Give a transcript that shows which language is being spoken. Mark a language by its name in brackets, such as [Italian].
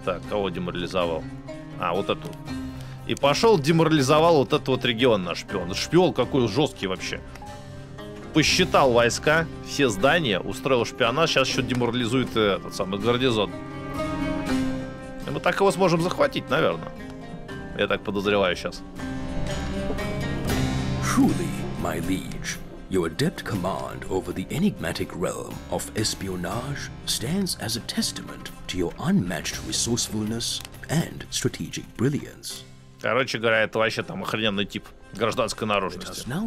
[Russian] Так, кого деморализовал? А, вот эту. И пошел, деморализовал вот этот вот регион наш шпион. Шпион какой жесткий вообще. Посчитал войска, все здания, устроил шпионаж, сейчас еще деморализует этот самый гарнизон. И мы так его сможем захватить, наверное. Я так подозреваю сейчас. [English] Truly, my liege, your adept command over the enigmatic realm of espionage stands as a testament to your unmatched resourcefulness and strategic brilliance. [Russian] Короче говоря, это вообще там охрененный тип гражданской наружности.